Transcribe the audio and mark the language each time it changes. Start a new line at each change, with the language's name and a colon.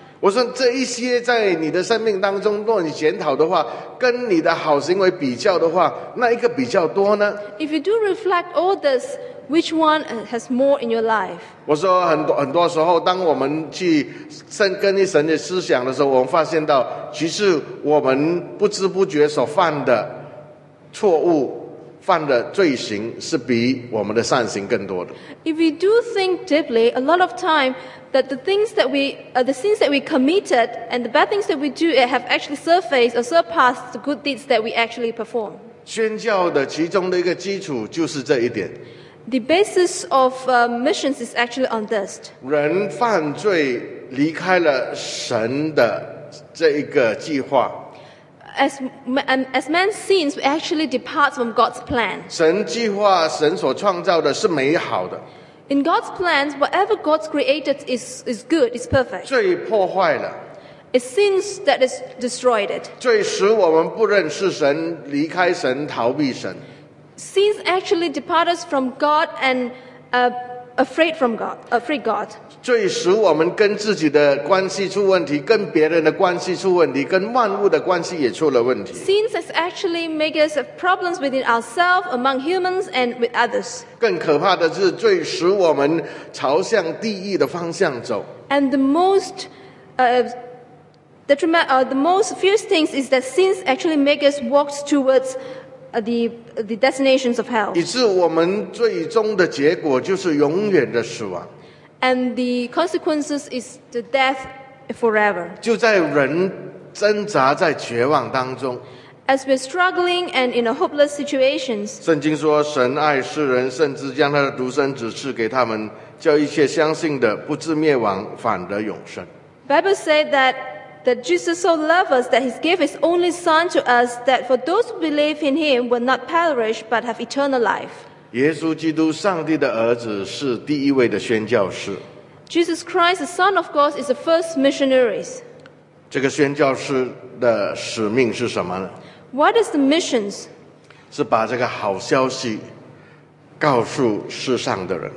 Chinese: 我说这一些在你的生命当中，若你检讨的话，跟你的好行为比较的话，那一个比较多呢？
English: If you do reflect all this, which one has more in your life?
Chinese: 我说很多时候，当我们去跟神的思想的时候，我们发现到，其实我们不知不觉所犯的错误、犯的罪行，是比我们的善行更多的。
English: If we do think deeply, a lot of time. That the things that the sins that we committed and the bad things that we do have actually surfaced or surpassed the good deeds that we actually perform.
Chinese: 宣教的其中的一个基础就是这一点。
English: The basis of missions is actually on this.
Chinese: 人犯罪离开了神的这一个计划。
English: As man sins, we actually depart from God's plan.
Chinese: 神计划，神所创造的是美好的。
English: In God's plans, whatever God's created is good, is perfect.
Chinese: 罪破坏了。
English: It's sins that has destroyed it.
Chinese: 罪使我们不认识神，离开神，逃避神。
English: Sins actually depart us from God and afraid from God, afraid God.
Chinese: 罪使我们跟自己的关系出问题，跟别人的关系出问题，跟万物的关系也出了问题。
English: Sins has actually made us have problems within ourselves, among humans, and with others.
Chinese: 更可怕的是，罪使我们朝向地狱的方向走。
English: And the most the most fierce things is that sins actually make us walk towards the destinations of hell.
Chinese: 以致我们最终的结果就是永远的死亡。
English: And the consequences is the death forever.
Chinese: 就在人挣扎在绝望当中。
English: As we're struggling and in a hopeless situations.
Chinese: 圣经说神爱世人，甚至将他的独生子赐给他们，叫一切相信的不至灭亡，反得永生。
English: Bible said that Jesus so loved us that he gave his only son to us that for those who believe in him will not perish but have eternal life.
Chinese: 耶稣基督上帝的儿子是第一位的宣教士。
English: Jesus Christ, the Son of God, is the first missionary.
Chinese: 这个宣教士的使命是什么呢？
English: What is the mission?
Chinese: 是把这个好消息告诉世上的人。